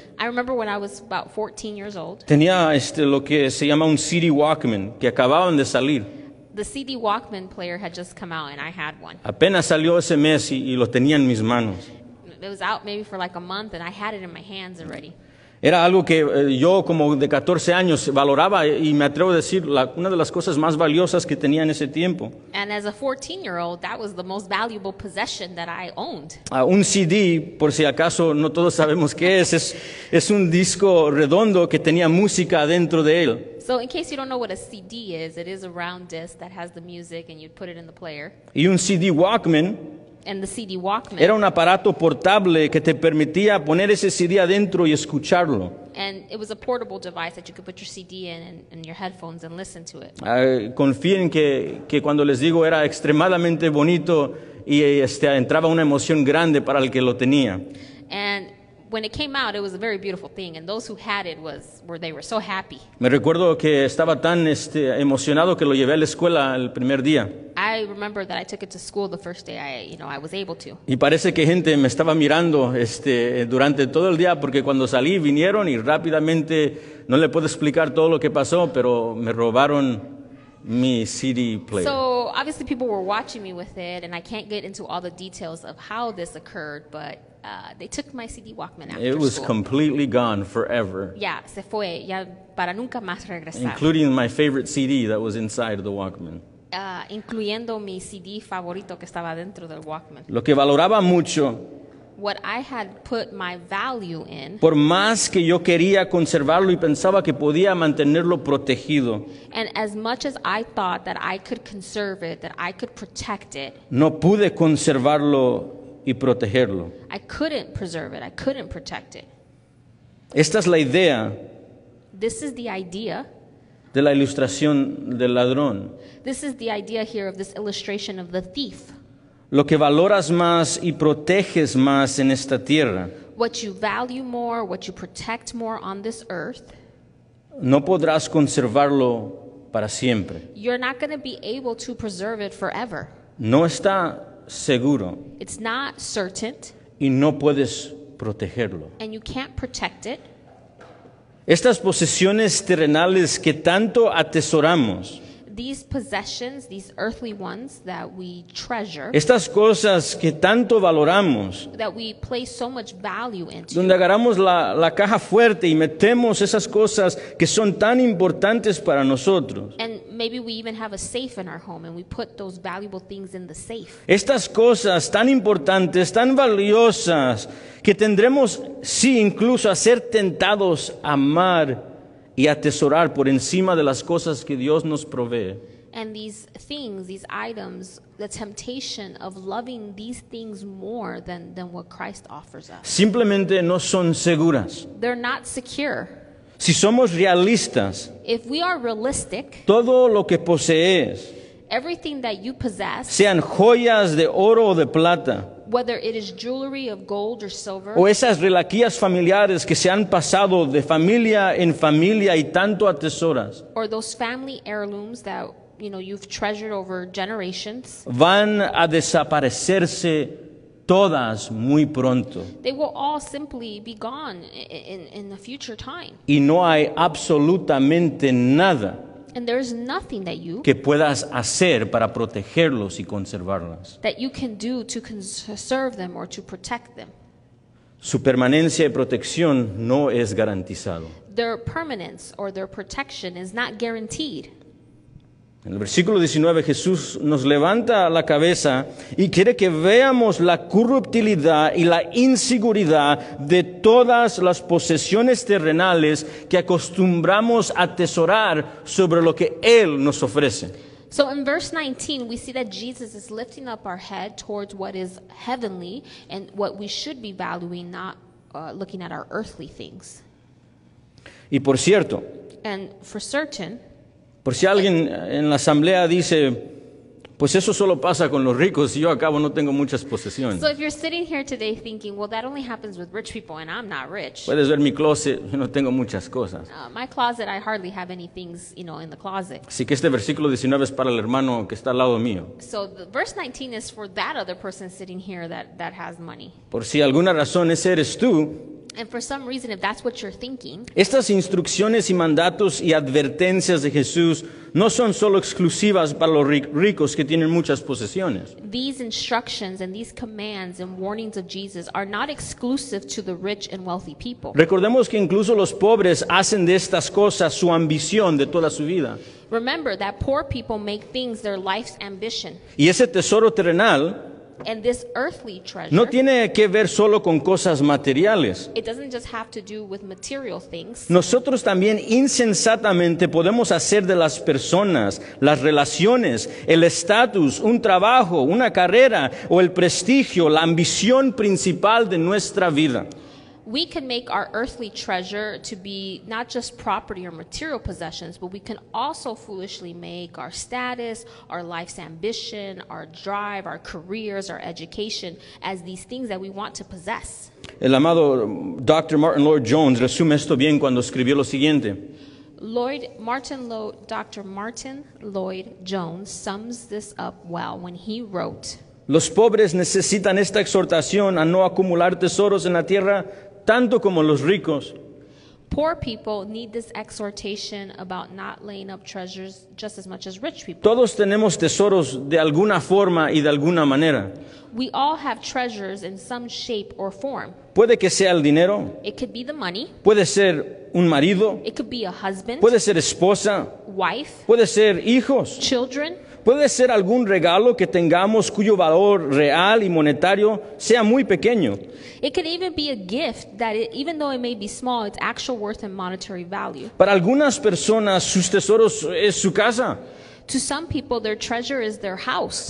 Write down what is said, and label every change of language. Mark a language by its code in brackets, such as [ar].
[en] I remember when I was about 14 years old, [es] tenía lo que se llama un CD Walkman que acababan de salir. [en] The CD Walkman player had just come out and I had one. [es] Apenas salió ese mes y lo tenía en mis manos. [en] It was out maybe for like a month and I had it in my hands already. [es] Era algo que yo como de 14 años valoraba y me atrevo a decir una de las cosas más valiosas que tenía en ese tiempo. [en] And as a 14-year-old, that was the most valuable possession that I owned. [es] Un CD, por si acaso no todos sabemos qué es un disco redondo que tenía música dentro de él. [en] So in case you don't know what a CD is, it is a round disc that has the music and you'd put it in the player. [es] Y un CD Walkman. [en] And the CD Walkman. [es] Era un aparato portable que te permitía poner ese CD adentro y escucharlo. [en] and it was a portable device that you could put your CD in and your headphones and listen to it. [es] Confíen que cuando les digo era extremadamente bonito y entraba una emoción grande para el que lo tenía. [en] And when it came out, it was a very beautiful thing, and those who had it were so happy. [es] Me recuerdo que estaba tan emocionado que lo llevé a la escuela el primer día. [en] I remember that I took it to school the first day I was able to. [es] Y parece que gente me estaba mirando durante todo el día, porque cuando salí vinieron y rápidamente, no le puedo explicar todo lo que pasó, pero me robaron mi CD player. [en] So obviously people were watching me with it, and I can't get into all the details of how this occurred, but they took my CD Walkman after school. It was school. Completely gone forever. [es] Yeah, se fue, ya para nunca más regresar. [en] Including my favorite CD that was inside the Walkman. [es] Incluyendo mi CD favorito que estaba dentro del Walkman. Lo que valoraba mucho. [en] What I had put my value in. [es] Por más que yo quería conservarlo y pensaba que podía mantenerlo protegido. [en] And as much as I thought that I could conserve it, that I could protect it. [es] No pude conservarlo y protegerlo. [en] I couldn't preserve it. I couldn't protect it. [es] Esta es la idea. [en] This is the idea. [es] De la ilustración del ladrón. [en] This is the idea here of this illustration of the thief. [es] Lo que valoras más y proteges más en esta tierra. [en] What you value more, what you protect more on this earth. [es] No podrás conservarlo para siempre. [en] You're not going to be able to preserve it forever. [es] No está seguro. [en] It's not certain. [es] Y no puedes protegerlo. [en] And you can't protect it. [es] Estas posesiones terrenales que tanto atesoramos. [en] These possessions, these earthly ones that we treasure. [es] Estas cosas que tanto valoramos. [en] That we place so much value into. [es] Donde agarramos la caja fuerte y metemos esas cosas que son tan importantes para nosotros. [en] And maybe we even have a safe in our home and we put those valuable things in the safe. [es] Estas cosas tan importantes, tan valiosas, que tendremos, sí, incluso a ser tentados a amar y atesorar por encima de las cosas que Dios nos provee. [en] And these things, these items, the temptation of loving these things more than what Christ offers us. [es] Simplemente no son seguras. [en] They're not secure. [es] Si somos realistas, [en] if we are realistic, [es] todo lo que posees, [en] everything that you possess, [es] sean joyas de oro o de plata, [en] whether it is jewelry of gold or silver, [es] o esas relaquias familiares que se han pasado de familia en familia y tanto atesoras, [en] or those family heirlooms that you've treasured over generations, [es] van a desaparecerse todas muy pronto. [en] They will all simply be gone in the future time. [es] Y no hay absolutamente nada. [en] And there is nothing that you, [es] que puedas hacer para protegerlos y conservarlos, [en] that you can do to conserve them or to protect them. [es] Su permanencia y protección no es garantizado. [en] Their permanence or their protection is not guaranteed. [es] En el versículo 19, Jesús nos levanta la cabeza y quiere que veamos la corruptibilidad y la inseguridad de todas las posesiones terrenales que acostumbramos a atesorar sobre lo que Él nos ofrece. [en] So in verse 19, we see that Jesus is lifting up our head towards what is heavenly and what we should be valuing, not looking at our earthly things. [es] Y por cierto, [en] and for certain, [es] por si alguien en la asamblea dice, pues eso solo pasa con los ricos y yo acabo no tengo muchas posesiones. [en] So if you're sitting here today thinking, well, that only happens with rich people and I'm not rich. [es] Puedes ver mi closet, no tengo muchas cosas. [en] My closet, I hardly have any things, in the closet. [es] Así que este versículo 19 es para el hermano que está al lado mío. [en] So the verse 19 is for that other person sitting here that has money. [es] Por si alguna razón ese eres tú. [en] And for some reason, if that's what you're thinking, [es] estas instrucciones y mandatos y advertencias de Jesús no son solo exclusivas para los ricos que tienen muchas posesiones. [en] These instructions and these commands and warnings of Jesus are not exclusive to the rich and wealthy people. [es] Recordemos que incluso los pobres hacen de estas cosas su ambición de toda su vida. [en] Remember that poor people make things their life's ambition. [es] Y ese tesoro terrenal, [en] and this earthly treasure, [es] no tiene que ver solo con cosas materiales. [en] It doesn't just have to do with material things. [es] Nosotros también insensatamente podemos hacer de las personas, las relaciones, el estatus, un trabajo, una carrera, o el prestigio, la ambición principal de nuestra vida. [en] we can make our earthly treasure to be not just property or material possessions, but we can also foolishly make our status, our life's ambition, our drive, our careers, our education as these things that we want to possess. [es] El amado Dr. Martin Lloyd Jones resume esto bien cuando escribió lo siguiente. [en] Dr. Martin Lloyd Jones sums this up well when he wrote, [es] los pobres necesitan esta exhortación a no acumular tesoros en la tierra tanto como los ricos. [en] Poor people need this exhortation about not laying up treasures just as much as rich people. [es] Todos tenemos tesoros de alguna forma y de alguna manera. [en] We all have treasures in some shape or form. [es] Puede que sea el dinero. [en] It could be the money. [es] Puede ser un marido. [en] It could be a husband. [es] Puede ser esposa. [en] Wife. [es] Puede ser hijos. [en] Children. [es] Puede ser algún regalo que tengamos cuyo valor real y monetario sea muy pequeño. [en] It could even be a gift that it, even though it may be small, its actual worth and monetary value. [es] Para algunas personas, sus tesoros es su casa. [en] To some people, their treasure is their house.